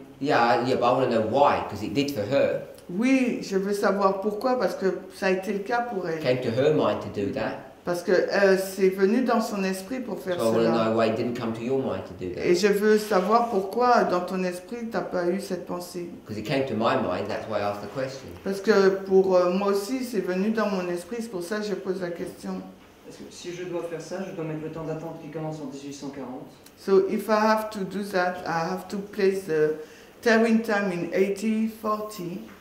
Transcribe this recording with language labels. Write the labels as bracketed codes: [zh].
[en] Yeah, but I want to know why, because it did for her. [fr] Oui, je veux savoir pourquoi, parce que ça a été le cas pour elle. [en] Came to her mind to do that. [fr] Parce que c'est venu dans son esprit pour faire [en] so [fr] cela. [en] I want to know why it didn't come to your mind to do that. [fr] Et je veux savoir pourquoi dans ton esprit t'as pas eu cette pensée. [en] Because it came to my mind, that's why I asked the question. [fr] Parce que pour moi aussi c'est venu dans mon esprit, c'est pour ça que je pose la question. Si je dois faire ça, je dois mettre le temps d'attente qui commence en 1840. [en] So if I have to do that, I have to place the tearing time in 1840.